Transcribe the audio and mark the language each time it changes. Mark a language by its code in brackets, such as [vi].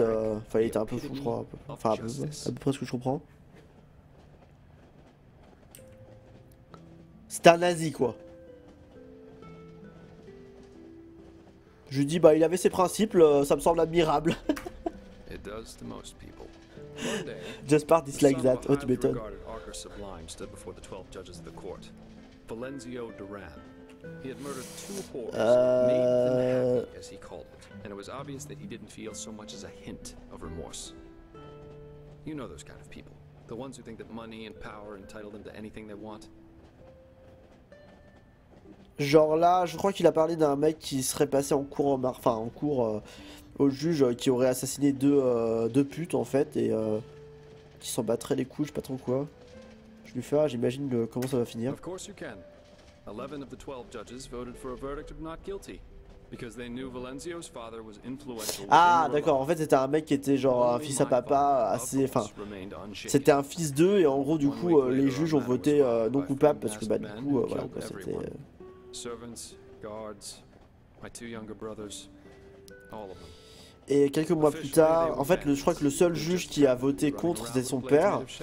[fr] Enfin il était un peu fou je crois. Enfin à peu près ce que je comprends. C'était un nazi quoi. Je lui dis, bah, il avait ses principes, ça me semble admirable. [en] It does to most people. Jasper dislikes that. Oh, [fr] tu m'étonnes. [en] Arcor Sublime stood before the 12 judges of the court. Valenzio Duran. He had murdered two whores, made them happy, as he called it. And it was obvious that he didn't feel so much as a hint of remorse. You know those kind of people. The ones who think that money and power entitle them to anything they want. [fr] Genre là, je crois qu'il a parlé d'un mec qui serait passé en cour, enfin en cour au juge, qui aurait assassiné deux putes en fait, et qui s'en battrait les couilles, je sais pas trop quoi. Je lui fais, j'imagine comment ça va finir. [en] Of course you can. 11 of the 12 judges voted for a verdict of not guilty because they knew Valenzio's father was influential. [fr] Ah, d'accord. En fait, c'était un mec qui était genre un fils à papa, assez. Enfin, c'était un fils d'eux, et en gros, du coup, les juges ont voté non coupable parce que, bah, du coup, voilà, quoi, c'était. [en] Servants, [fr] gardes, mes deux [en] younger brothers, all of them. [fr] Et quelques mois plus tard, en fait, je crois que le seul juge qui a voté contre, c'était son père.